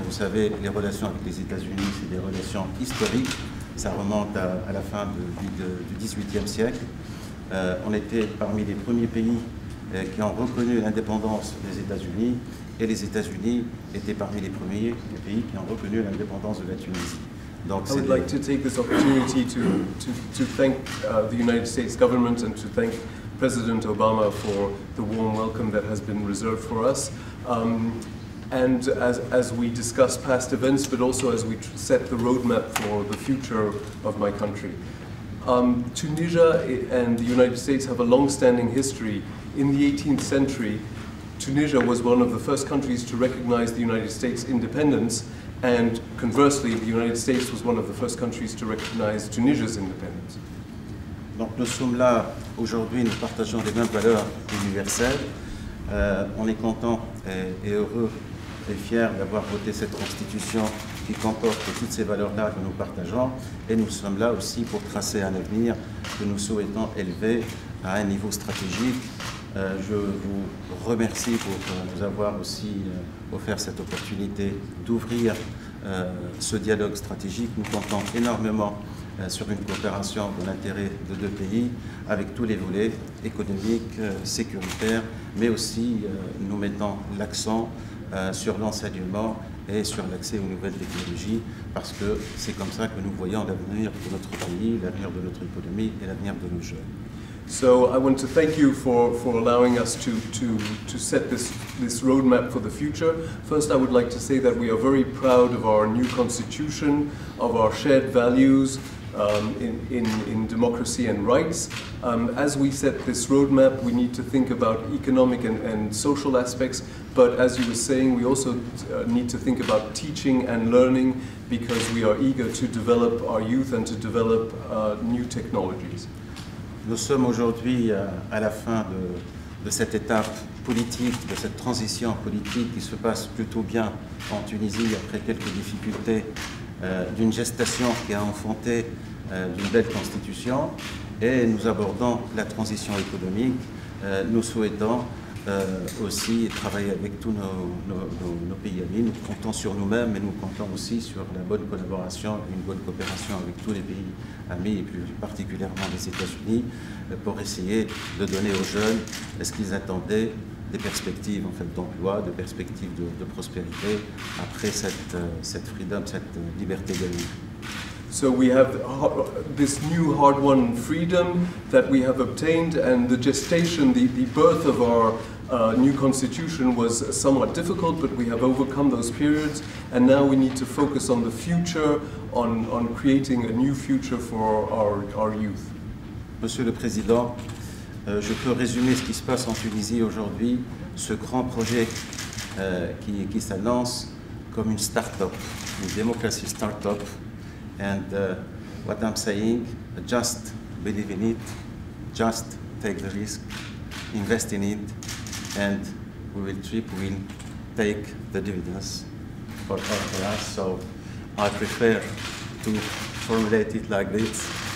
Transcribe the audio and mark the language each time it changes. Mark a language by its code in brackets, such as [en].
[fr] Vous savez, les relations avec les États-Unis, c'est des relations historiques. Ça remonte à la fin du 18e siècle. On était parmi les premiers pays qui ont reconnu l'indépendance des États-Unis, et les États-Unis étaient parmi les premiers pays qui ont reconnu l'indépendance de la Tunisie. [en] Donc, I would like to take this opportunity to thank the United States government and to thank President Obama for the warm welcome that has been reserved for us. And as we discuss past events, but also as we set the roadmap for the future of my country. Tunisia and the United States have a long-standing history. In the 18th century, Tunisia was one of the first countries to recognize the United States' independence, and conversely, the United States was one of the first countries to recognize Tunisia's independence. [fr] Donc nous sommes là aujourd'hui, nous partageons les mêmes valeurs universelles. On est content et heureux et fier d'avoir voté cette constitution qui comporte toutes ces valeurs-là que nous partageons, et nous sommes là aussi pour tracer un avenir que nous souhaitons élever à un niveau stratégique. Je vous remercie pour nous avoir aussi offert cette opportunité d'ouvrir ce dialogue stratégique. Nous comptons énormément sur une coopération dans l'intérêt de deux pays avec tous les volets économiques, sécuritaires, mais aussi nous mettons l'accent sur l'enseignement et sur l'accès aux nouvelles technologies, parce que c'est comme ça que nous voyons l'avenir de notre pays, l'avenir de notre économie et l'avenir de nos jeunes. [en] So I want to thank you for allowing us to set this roadmap for the future. First, I would like to say that we are very proud of our new constitution, of our shared values in democracy and rights. As we set this roadmap, we need to think about economic and social aspects. But as you were saying, we also need to think about teaching and learning, because we are eager to develop our youth and to develop new technologies. [fr] Nous sommes aujourd'hui à la fin de cette étape politique, de cette transition politique qui se passe plutôt bien en Tunisie après quelques difficultés d'une gestation qui a enfanté d'une belle constitution. Et nous abordons la transition économique. Nous souhaitons aussi travailler avec tous nos pays amis. Nous comptons sur nous-mêmes, mais nous comptons aussi sur la bonne collaboration, une bonne coopération avec tous les pays amis, et plus particulièrement les États-Unis, pour essayer de donner aux jeunes ce qu'ils attendaient, des perspectives en fait d'emploi, de perspectives de prospérité après cette freedom, cette liberté gagnée. [en] So we have this new hard-won freedom that we have obtained, and the gestation, the birth of our new constitution was somewhat difficult, but we have overcome those periods, and now we need to focus on the future, on creating a new future for our youth. [fr] Monsieur le Président, je peux résumer ce qui se passe en Tunisie aujourd'hui, ce grand projet qui s'annonce comme une start-up, une démocratie start-up. [en] And what I'm saying, just believe in it, just take the risk, invest in it, and we will trip, we will take the dividends for all of us. So I prefer to formulate it like this.